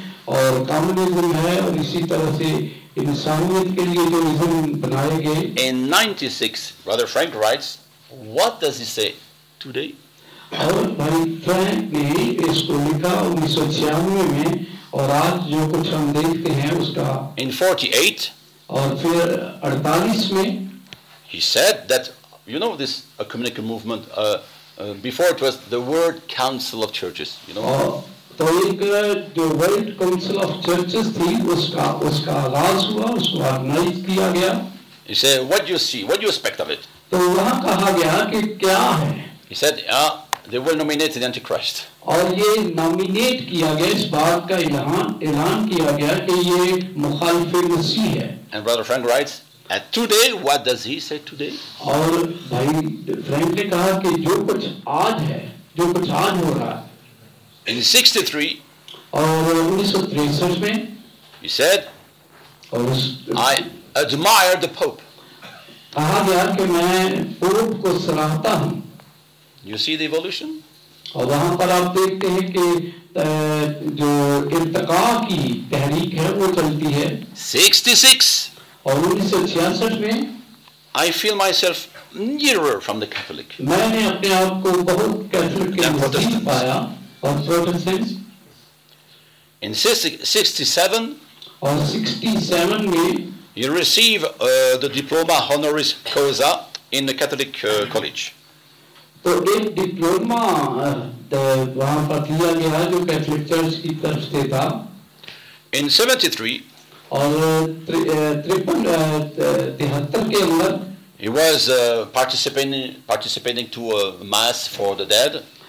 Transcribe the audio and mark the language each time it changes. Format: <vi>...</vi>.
<en>In 96, Brother Frank writes, what does he say today?</en> <hi>और भाई Frank ने इसको लिखा 1996 में और आज जो कुछ हम देखते हैं उसका</hi> <en>In 48</en> <hi>और फिर 48 में</hi> <en>He said that you know this ecumenical movement before it was the World Council of Churches you know</en> <hi>तो एक जो वर्ल्ड काउंसिल ऑफ चर्चेस थी उसका उसका आगाज हुआ उसको ऑर्गेनाइज किया गया</hi> <en>He said what do you see what do you expect of it</en> <hi>तो वहां कहा गया कि क्या है</hi> <en>He said They will nominate the Antichrist.</en> <hi>और ये nominate किया गया इस बात का इलान किया गया कि ये मुखालिफ़ मसीह है.</hi> <en>And Brother Frank writes, at today, what does he say today?</en> <hi>और भाई फ्रैंक ने कहा कि जो कुछ आज है, जो कुछ आज हो रहा है.</hi> <en>In 63.</en> <hi>और 1963 में.</hi> <en>He said. I admire the Pope.</en> <hi>कहा गया कि मैं पोप को सराहता हूँ.</hi> <en>You see the evolution?</en> <hi>और वहाँ पर आप देखते हैं कि जो इर्तका की तहरीक है वो चलती है</hi> <en>66</en> <hi>और 1966 में</hi> <en>I feel myself nearer from the Catholic.</en> <hi>मैंने अपने आप को बहुत कैथोलिक के नजदीक पाया और प्रोटेस्टेंट्स</hi> <en>In 67</en> <hi>और 67 में</hi> <en>you receive the diploma honoris causa in the Catholic college.</en> <hi>तो एक डिप्लोमा वहां पर दिया गया जो कैथोलिक चर्च की तरफ से था</hi> <en>in 73</en> <hi>और 73 के अंदर</hi> <en>ही was participating to a mass for the dead</en>